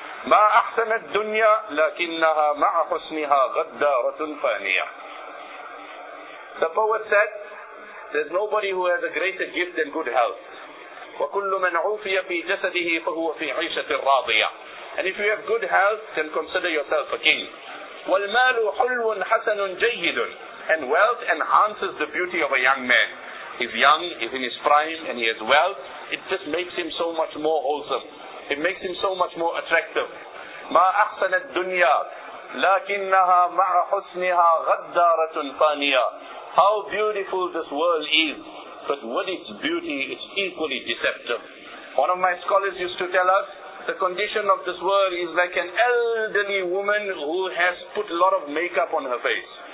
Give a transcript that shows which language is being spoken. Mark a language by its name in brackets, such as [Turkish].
[Arabic] ما أحسن الدنيا لكنها مع حسنها غدارة فانية. [English] The poet said, there's nobody who has a greater gift than good health. [Arabic] وكل من عوفي في جسده فهو في عيشة راضية. [English] And if you have good health, then consider yourself a king. [Arabic] والمال حلو حسن جيد. [English] And wealth enhances the beauty of a young man. He's young, he's in his prime, and he has wealth. It just makes him so much more wholesome. It makes him so much more attractive. [Arabic] ما أحسن الدنيا لكنها مع حسنها غدارة فانية. [English] How beautiful this world is, but with its beauty, it's equally deceptive. One of my scholars used to tell us, the condition of this world is like an elderly woman who has put a lot of makeup on her face.